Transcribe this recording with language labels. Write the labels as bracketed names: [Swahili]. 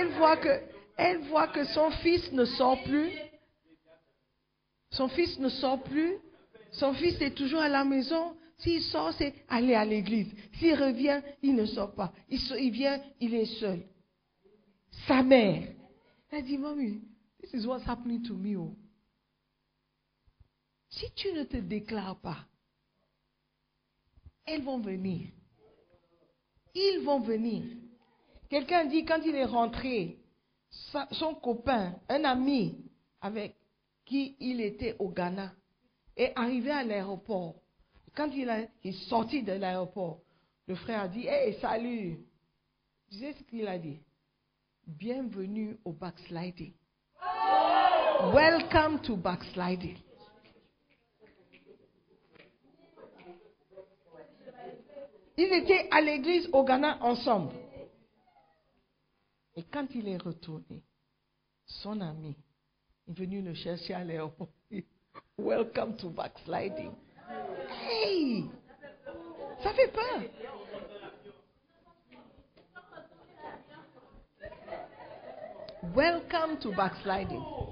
[French] Parce qu'elle voit que son fils ne sort plus. Son fils ne sort plus. Son fils est toujours à la maison. S'il sort, c'est aller à l'église. S'il revient, il ne sort pas. Il vient, il est seul. Sa mère. Elle dit, mamie, [English] this is what's happening to me. Oh. [French] Si tu ne te déclares pas, elles vont venir. Ils vont venir. Quelqu'un dit, quand il est rentré, son copain, un ami avec qui il était au Ghana, est arrivé à l'aéroport. Quand il est sorti de l'aéroport, le frère a dit, hey, salut. Tu sais ce qu'il a dit? Bienvenue au backsliding. Oh! [English] Welcome to backsliding. [French] Ils étaient à l'église au Ghana ensemble. Et quand il est retourné, son ami est venu le chercher à l'aéroport. [English] Welcome to backsliding. Hey! [French] Ça fait peur. [English] Welcome to backsliding.